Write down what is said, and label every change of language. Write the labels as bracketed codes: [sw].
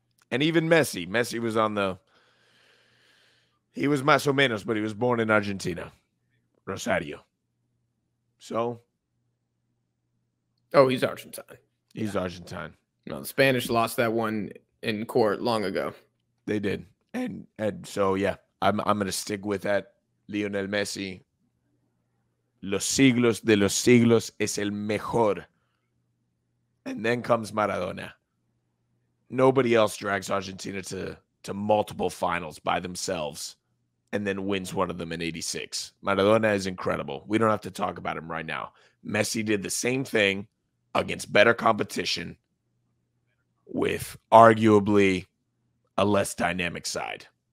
[en] And even Messi. Messi was on the... He was [es] más o menos, [en] but he was born in Argentina. Rosario. So? Oh, he's Argentine. He's Argentine. No, the Spanish lost that one in court long ago. They did. And so yeah, I'm gonna stick with that. [es] Lionel Messi, los siglos de los siglos, es el mejor. [en] And then comes Maradona. Nobody else drags Argentina to multiple finals by themselves and then wins one of them in 86. Maradona is incredible. We don't have to talk about him right now. Messi did the same thing against better competition with arguably a less dynamic side.